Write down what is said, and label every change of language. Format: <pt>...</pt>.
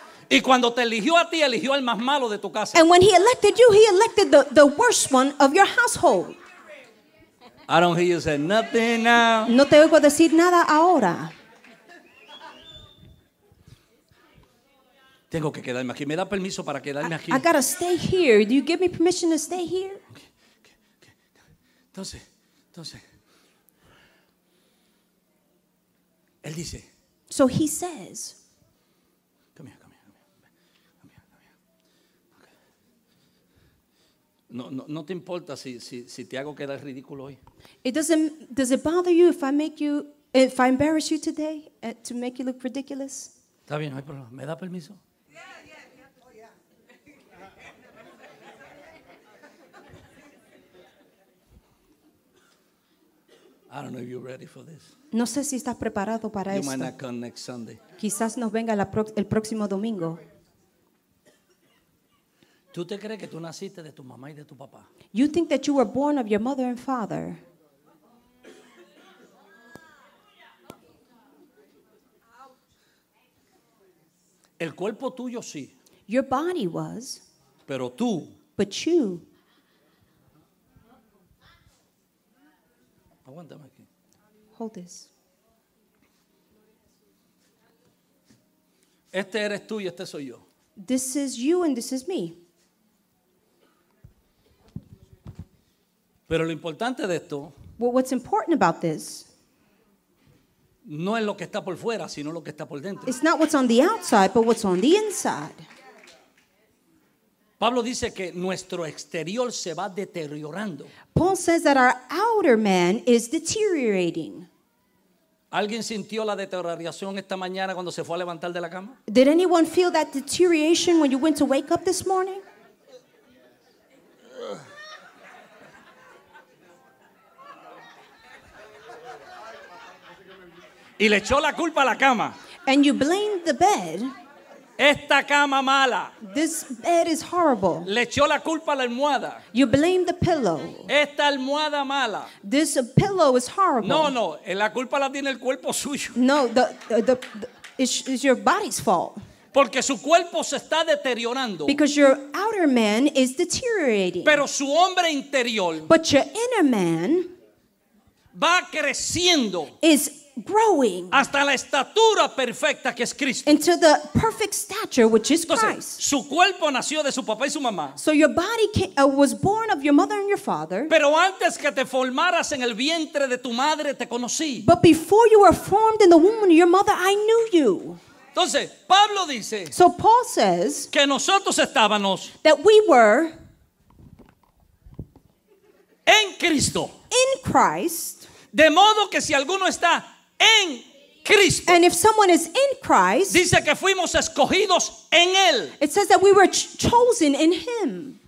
<es>Y cuando te eligió a ti, eligió al más malo de tu casa.</es> <en>And when he elected you, he elected the worst one of your household. I don't hear you say nothing now.</en> <es>No te oigo decir nada ahora. Tengo que quedarme aquí. ¿Me da permiso para quedarme aquí?</es> <en>I gotta stay here. Do you give me permission to stay here?</en> <es>Okay. Entonces. Él dice.</es> <en>So he says.</en> <es>No te importa si te hago quedar ridículo hoy.</es> <en>Does it bother you if I embarrass you today to make you look ridiculous?</en> <es>Está bien, no hay problema. ¿Me da permiso?</es> <en>Yeah. Oh, yeah. I don't know if you're ready for this.</en> <es>No sé si estás preparado para</es> <en>you</en> <es>esto.</es> <en>Might not come next Sunday.</en> <es>Quizás nos venga el próximo domingo. ¿Tú te crees que tú naciste de tu mamá y de tu papá?</es> <en>You think that you were born of your mother and father.</en> <es>El cuerpo tuyo sí.</es> <en>Your body was.</en> <es>Pero tú.</es> <en>But you.</en> <es>Aguántame aquí.</es> <en>Hold this.</en> <es>Este eres tú y este soy yo.</es> <en>This is you and this is me.</en> <es>Pero lo importante de esto,</es> <en>well, what's important about this,</en> <es>no es lo que está por fuera, sino lo que está por dentro.</es> <en>It's not what's on the outside, but what's on the inside.</en> <es>Pablo dice que nuestro exterior se va deteriorando.</es> <en>Paul says that our outer man is deteriorating.</en> <es>¿Alguien sintió la deterioración esta mañana cuando se fue a levantar de la cama?</es> <en>Did anyone feel that deterioration when you went to wake up this morning?</en> <es>Y le echó la culpa a la cama.</es> <en>And you blamed the bed.</en> <es>Esta cama mala.</es> <en>This bed is horrible.</en> <es>Le echó la culpa a la almohada.</es> <en>You blame the pillow.</en> <es>Esta almohada mala.</es> <en>This pillow is horrible.</en> <es>No, no, la culpa la tiene el cuerpo suyo.</es> <en>No, it's your body's fault.</en> <es>Porque su cuerpo se está deteriorando.</es> <en>Because your outer man is deteriorating.</en> <es>Pero su hombre interior.</es> <en>But your inner man.</en> <es>Va creciendo.</es> <en>Is growing</en> <es>hasta la estatura perfecta que es Cristo.</es> <en>Into the perfect stature which is</en> <es>entonces,</es> <en>Christ.</en> <es>Su cuerpo nació de su papá y su mamá.</es> <en>So your body came, was born of your mother and your father.</en> <es>Pero antes que te formaras en el vientre de tu madre te conocí.</es> <en>But before you were formed in the womb of your mother I knew you.</en> <es>Entonces Pablo dice,</es> <en>so Paul says,</en> <es>que nosotros estábamos,</es> <en>that we were,</en> <es>en Cristo,</es> <en>in Christ.</en> <es>De modo que si alguno está en Cristo,</es> <en>and if someone is in Christ,</en> <es>dice que fuimos escogidos en él.</es> <en>It says that we were chosen in him.</en>